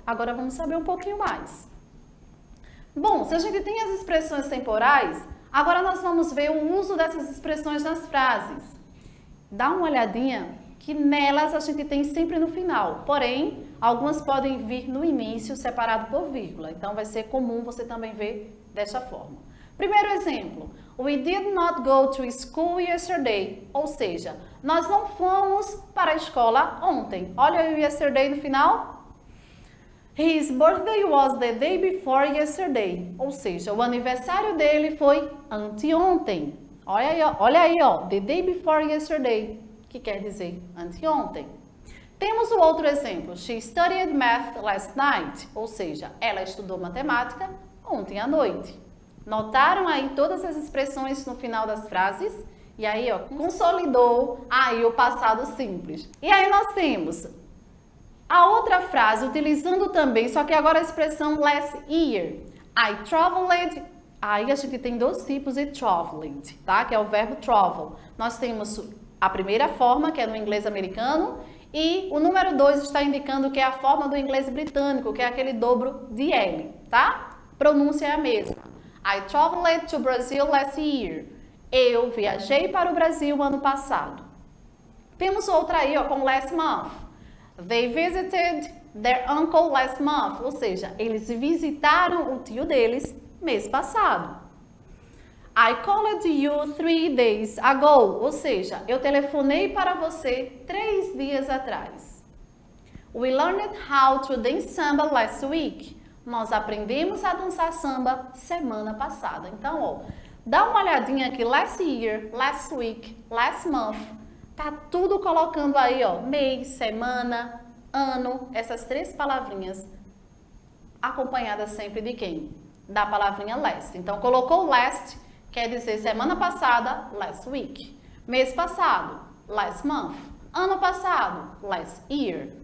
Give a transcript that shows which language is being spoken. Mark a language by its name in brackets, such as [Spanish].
[Portuguese] Agora vamos saber um pouquinho mais. Bom, se a gente tem as expressões temporais, agora nós vamos ver o uso dessas expressões nas frases. Dá uma olhadinha que nelas a gente tem sempre no final. Porém, algumas podem vir no início separado por vírgula. Então, vai ser comum você também ver dessa forma. Primeiro exemplo. [English] We did not go to school yesterday. [Portuguese] Ou seja, nós não fomos para a escola ontem. Olha o yesterday no final. [English] His birthday was the day before yesterday. [Portuguese] Ou seja, o aniversário dele foi anteontem. Olha aí, ó. [English] The day before yesterday. [Portuguese] Que quer dizer anteontem. Temos o outro exemplo. [English] She studied math last night. [Portuguese] Ou seja, ela estudou matemática ontem à noite. Notaram aí todas as expressões no final das frases? E aí, ó, consolidou aí o passado simples. E aí nós temos a outra frase, utilizando também, só que agora a expressão last year. [English] I traveled. [Portuguese] Aí a gente tem dois tipos de traveled, tá? Que é o verbo travel. Nós temos a primeira forma, que é no inglês americano. E o número 2 está indicando que é a forma do inglês britânico, que é aquele dobro de L, tá? Pronúncia é a mesma. [English] I traveled to Brazil last year. [Portuguese] Eu viajei para o Brasil ano passado. Temos outra aí, ó, com last month. [English] They visited their uncle last month. [Portuguese] Ou seja, eles visitaram o tio deles mês passado. [English] I called you 3 days ago. [Portuguese] Ou seja, eu telefonei para você 3 dias atrás. [English] We learned how to dance samba last week. [Portuguese] Nós aprendemos a dançar samba semana passada. Então, ó, dá uma olhadinha aqui. [English] Last year, last week, last month. [Portuguese] Tá tudo colocando aí, ó, mês, semana, ano. Essas três palavrinhas acompanhadas sempre de quem? Da palavrinha last. Então, colocou last, quer dizer semana passada, last week. Mês passado, last month. Ano passado, last year.